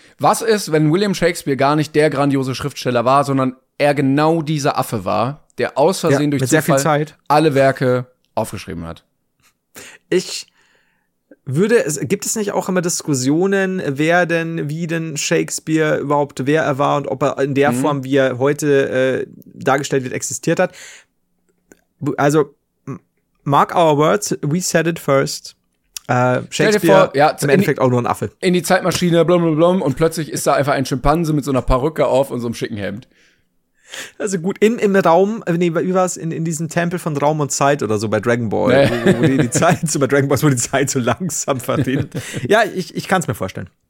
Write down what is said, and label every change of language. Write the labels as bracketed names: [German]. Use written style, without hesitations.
[German] Was ist, wenn William Shakespeare gar nicht der grandiose Schriftsteller war, sondern er genau dieser Affe war, der aus Versehen durch Zufall sehr viel Zeit alle Werke aufgeschrieben hat? Gibt es nicht auch immer Diskussionen, wie denn Shakespeare überhaupt, wer er war und ob er in der Form, wie er heute dargestellt wird, existiert hat? [English] Also, mark our words, we said it first. [German] Shakespeare, im Endeffekt auch nur ein Affe. In die Zeitmaschine, blum, blum, blum, und plötzlich ist da einfach ein Schimpanse mit so einer Perücke auf und so einem schicken Hemd. Also gut, im Raum, nee, wie war es, in diesem Tempel von Raum und Zeit oder so bei Dragon Ball, nee. wo die Zeit so langsam verdient. Ja, ich kann es mir vorstellen.